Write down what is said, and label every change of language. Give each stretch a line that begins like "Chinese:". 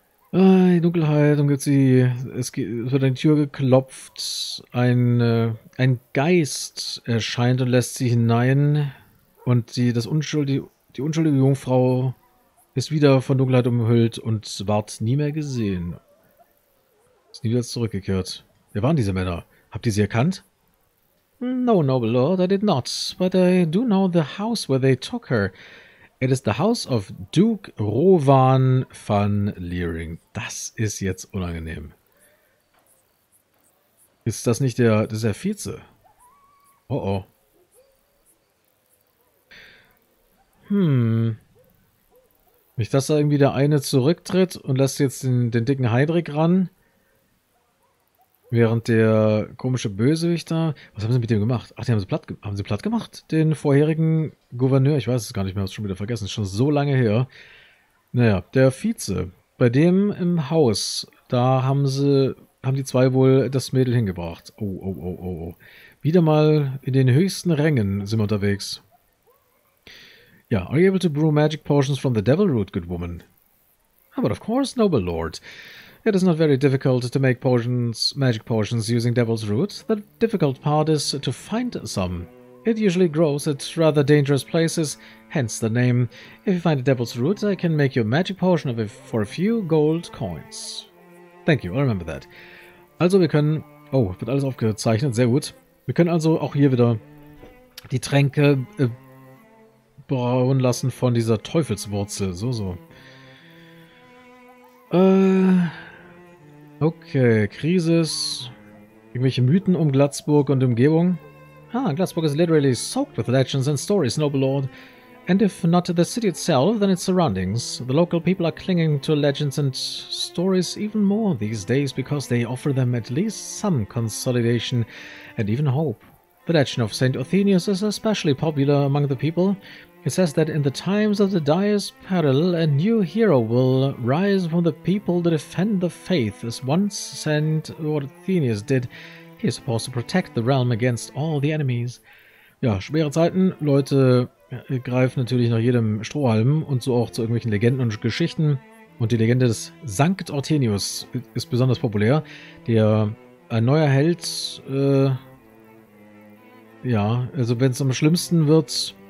German: In Dunkelheit umgibt sie, es wird an die Tür geklopft, ein Geist erscheint und lässt sie hinein und die unschuldige Jungfrau ist wieder von Dunkelheit umhüllt und ward nie mehr gesehen. Ist nie wieder zurückgekehrt. Wer waren diese Männer? Habt ihr sie erkannt?
English: No, noble lord, I did not, but I do know the house where they took her. It is the house of Duke Rovan van Leering.
German: Das ist jetzt unangenehm. Ist das nicht der Vize? Oh oh. Nicht, dass da irgendwie der eine zurücktritt und lässt jetzt den dicken Heinrich ran. Während der komische Bösewicht da. Was haben sie mit dem gemacht? Ach, die haben sie platt gemacht. Haben sie platt gemacht? Den vorherigen Gouverneur? Ich weiß es gar nicht mehr, hab's schon wieder vergessen. Ist schon so lange her. Naja, der Vize. Bei dem im Haus, da haben die zwei wohl das Mädel hingebracht. Oh, oh, oh, oh, oh. Wieder mal in den höchsten Rängen sind wir unterwegs.
English: Ja, are you able to brew magic potions from the devil root, good woman? Oh, but of course, noble lord. It is not very difficult to make magic potions using devil's root. The difficult part is to find some. It usually grows at rather dangerous places, hence the name. If you find a devil's root, I can make you a magic potion of it for a few gold coins. Thank you, I'll remember that.
German: Also wir können... Oh, wird alles aufgezeichnet, sehr gut. Wir können also auch hier wieder die Tränke brauen lassen von dieser Teufelswurzel. So. Okay, Krisis. Irgendwelche Mythen um Glatzburg und Umgebung.
English: Ah, Glatzburg is literally soaked with legends and stories, noble lord. And if not the city itself, then its surroundings. The local people are clinging to legends and stories even more these days because they offer them at least some consolation and even hope. The legend of St. Othenius is especially popular among the people. It says that in the times of the direst peril, a new hero will rise from the people to defend the faith, as once Saint Orthenius did. He is supposed to protect the realm against all the enemies.
German: Ja, schwere Zeiten. Leute greifen natürlich nach jedem Strohhalm und so auch zu irgendwelchen Legenden und Geschichten. Und die Legende des Sankt Orthenius ist besonders populär. Der neue Held, wenn es am schlimmsten wird...